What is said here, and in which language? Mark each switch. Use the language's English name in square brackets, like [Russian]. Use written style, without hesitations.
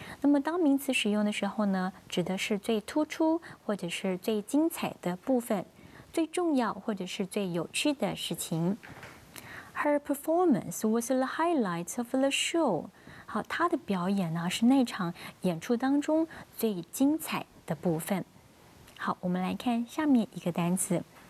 [Chinese] 那么当名词使用的时候呢，指的是最突出或者是最精彩的部分，最重要或者是最有趣的事情。 [English] Her performance was the highlight of the show. [Chinese] 好，她的表演呢是那场演出当中最精彩的部分。好，我们来看下面一个单词。